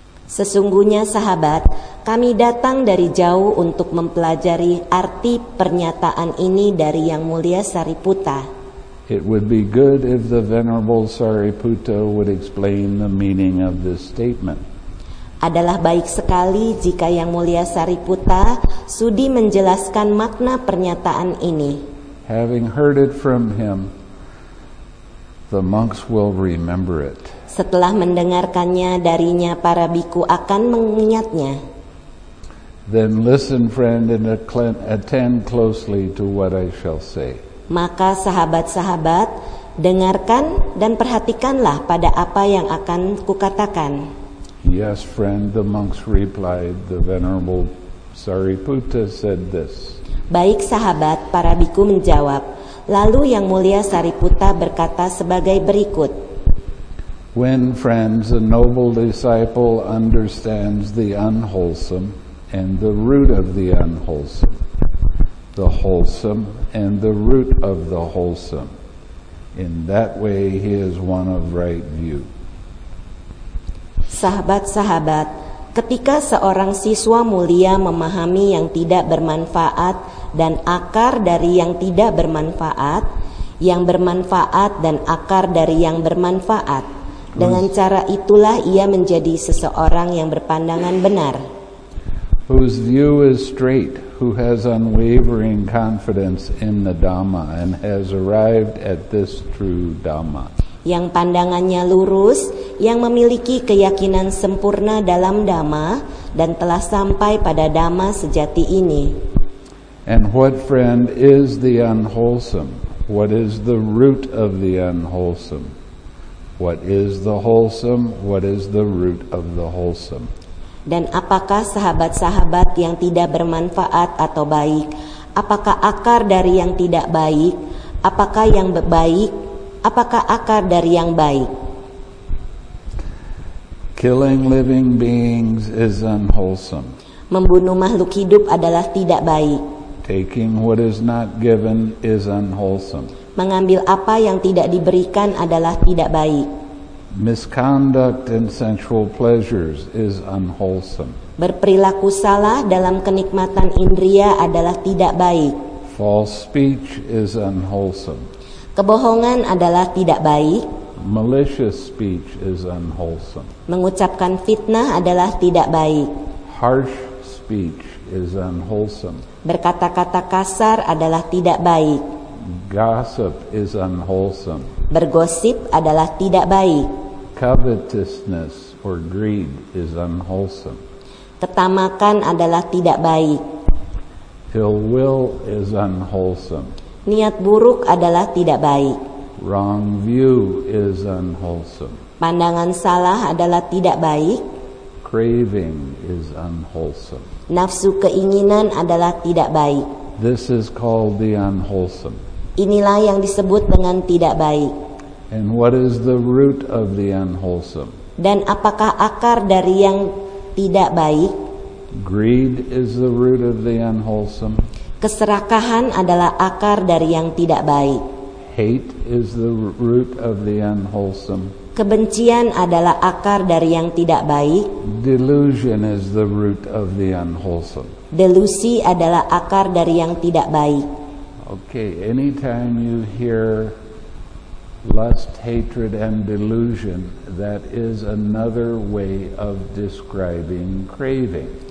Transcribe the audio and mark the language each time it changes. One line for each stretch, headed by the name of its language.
Indonesian: Sesungguhnya sahabat, kami datang dari jauh untuk mempelajari arti pernyataan ini dari Yang Mulia Sariputta.
English: It would be good if the Venerable Sariputta would explain the meaning of this statement.
Indonesian: Adalah baik sekali jika Yang Mulia Sariputta sudi menjelaskan makna pernyataan ini.
English: Having heard it from him, the monks will remember it.
Indonesian: Setelah mendengarkannya darinya, para bhikkhu akan mengingatnya.
English: Then listen, friend, and attend closely to what I shall say.
Indonesian: Maka sahabat-sahabat, dengarkan dan perhatikanlah pada apa yang akan kukatakan.
English: Yes, friend, the monks replied. The Venerable Sariputta said this.
Indonesian: Baik sahabat, para bhikkhu menjawab. Lalu Yang Mulia Sariputta berkata sebagai berikut.
English: When, friends, a noble disciple understands the unwholesome and the root of the unwholesome, the wholesome and the root of the wholesome, in that way he is one of right view.
Indonesian: Sahabat-sahabat, ketika seorang siswa mulia memahami yang tidak bermanfaat dan akar dari yang tidak bermanfaat, yang bermanfaat dan akar dari yang bermanfaat, dengan cara itulah ia menjadi seseorang yang berpandangan benar.
English: Whose view is straight, who has unwavering confidence in the Dhamma and has arrived at this true Dhamma.
Indonesian: Yang pandangannya lurus, yang memiliki keyakinan sempurna dalam Dhamma dan telah sampai pada Dhamma sejati ini.
English: And what, friend, is the unwholesome? What is the root of the unwholesome? What is the wholesome? What is the root of the wholesome?
Indonesian: Dan apakah sahabat-sahabat yang tidak bermanfaat atau baik? Apakah akar dari yang tidak baik? Apakah yang baik? Apakah akar dari yang baik?
English: Killing living beings is unwholesome.
Indonesian: Membunuh makhluk hidup adalah tidak baik.
English: Taking what is not given is unwholesome.
Indonesian: Mengambil apa yang tidak diberikan adalah tidak baik.
English: Misconduct in sensual pleasures is unwholesome.
Indonesian: Berperilaku salah dalam kenikmatan indria adalah tidak baik.
English: False speech is unwholesome.
Indonesian: Kebohongan adalah tidak baik.
English: Malicious speech is unwholesome.
Indonesian: Mengucapkan fitnah adalah tidak baik.
English: Harsh speech is unwholesome.
Indonesian: Berkata-kata kasar adalah tidak baik.
English: Gossip is unwholesome.
Indonesian: Bergosip adalah tidak baik.
English: Covetousness or greed is unwholesome.
Indonesian: Ketamakan adalah tidak baik.
English: Ill will is unwholesome.
Indonesian: Niat buruk adalah tidak baik.
English: Wrong view is unwholesome.
Indonesian: Pandangan salah adalah tidak baik.
English: Craving is unwholesome.
Indonesian: Nafsu keinginan adalah tidak baik.
English: This is called the unwholesome.
Indonesian: Inilah yang disebut dengan tidak baik.
English: And what is the root of the unwholesome?
Indonesian: Dan apakah akar dari yang tidak baik?
English: Greed is the root of the unwholesome.
Indonesian: Keserakahan adalah akar dari yang tidak baik.
English: Hate is the root of the unwholesome.
Indonesian: Kebencian adalah akar dari yang tidak baik.
English: Delusion is the root of the unwholesome.
Indonesian: Delusi adalah akar dari yang tidak baik.
English: Okay, anytime you hear lust, hatred, and delusion, that is another way of describing craving.